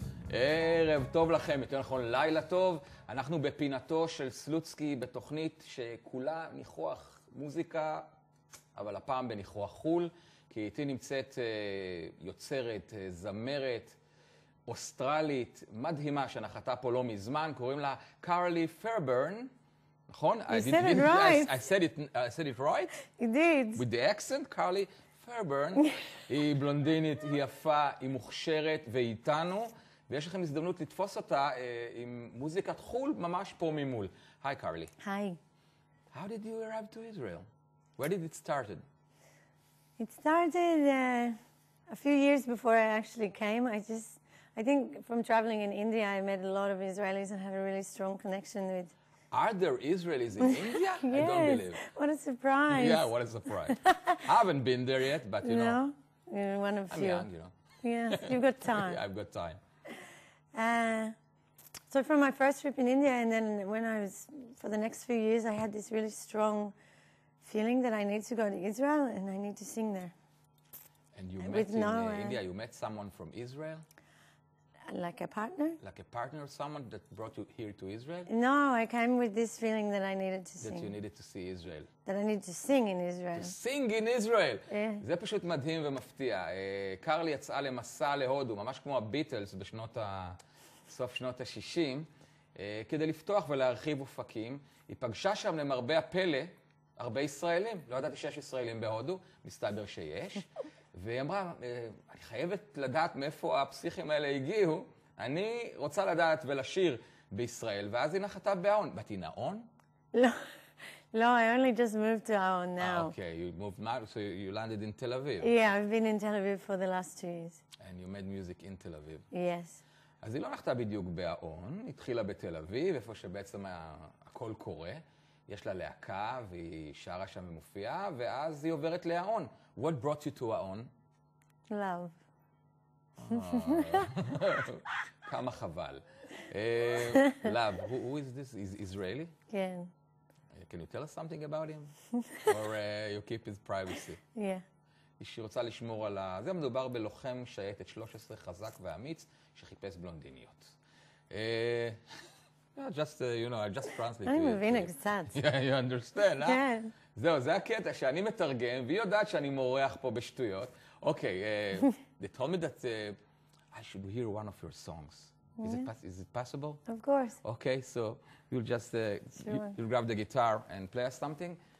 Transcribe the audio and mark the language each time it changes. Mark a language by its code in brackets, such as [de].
[he] ערב טוב לכם, יותר נכון לילה טוב. אנחנו בפינתו של סלוצקי בתוכנית שכולה ניחוח מוזיקה, אבל הפעם בניחוח חול, כי איתי נמצאת יוצרת, זמרת, אוסטרלית, מדהימה שנחתה פה לא מזמן, קוראים לה קארלי פיירברן, נכון? [en] I said it right? You did. With the accent, קארלי פיירברן. [he] היא בלונדינית, היא יפה, היא מוכשרת ואיתנו. ויש לכם הזדמנות לתפוס אותה עם מוזיקת חול ממש פה ממול. היי, קארלי. היי. [en] How did you arrive to Israel? Where did it started? It started a few years before I actually came. I think from traveling in India, I met a lot of Israelis and have a really strong connection with... Are there Israelis in India? Yes. I don't believe. What a surprise. Yeah, what a surprise. I haven't been there yet, but you know. No, you're one of few. I'm young, you know. Yeah, you've got time. Yeah, I've got time. So from my first trip in India, and then when I was, for the next few years, I had this really strong feeling that I need to go to Israel and I need to sing there. And you met in India, you met someone from Israel? Like a partner. Like a partner of someone that brought you here to Israel? No, I came with this feeling that I needed to sing. That you needed to see Israel. That I need to sing in Israel. To sing in Israel! Yeah. [he] זה פשוט מדהים ומפתיע. קארלי יצאה למסע להודו, ממש כמו הביטלס בשנות ה... סוף שנות ה-60, כדי לפתוח ולהרחיב אופקים. היא פגשה שם למרבה הפלא, הרבה ישראלים. לא ידעתי שיש ישראלים בהודו, מסתבר שיש. והיא אמרה, אני חייבת לדעת מאיפה הפסיכים האלה הגיעו, אני רוצה לדעת ולשיר בישראל, ואז היא נחתה באהון. [en] But in Aon? No, I only just moved to Aon now. Okay, you moved now, so you landed in Tel Aviv. Yeah, I've been in Tel Aviv for the last 2 years. And you made music in Tel Aviv. Yes. [he] אז היא לא נחתה בדיוק באהון, התחילה בתל אביב, איפה שבעצם הכל קורה. יש לה להקה והיא שרה שם ומופיעה, ואז היא עוברת לאהון. [en] What brought you to Aon? Love. [he] כמה חבל. [en] Love, who is this? Is Israeli? [he] כן. [en] Can you tell us something about him? Or you keep his privacy? Yeah. [he] היא רוצה לשמור על ה... זה מדובר בלוחם שייטת 13 חזק ואמיץ, שחיפש בלונדיניות. [en] Yeah, just, you know, I just translate to you. I'm a Vinex, that's. Yeah, you understand, huh? [he] כן. זהו, זה הקטע שאני מתרגם, והיא יודעת שאני מורח פה בשטויות. [en] Okay, they told me that I should hear one of your songs. Is it possible? Of course. Okay, so you'll just you'll grab the guitar and play us something.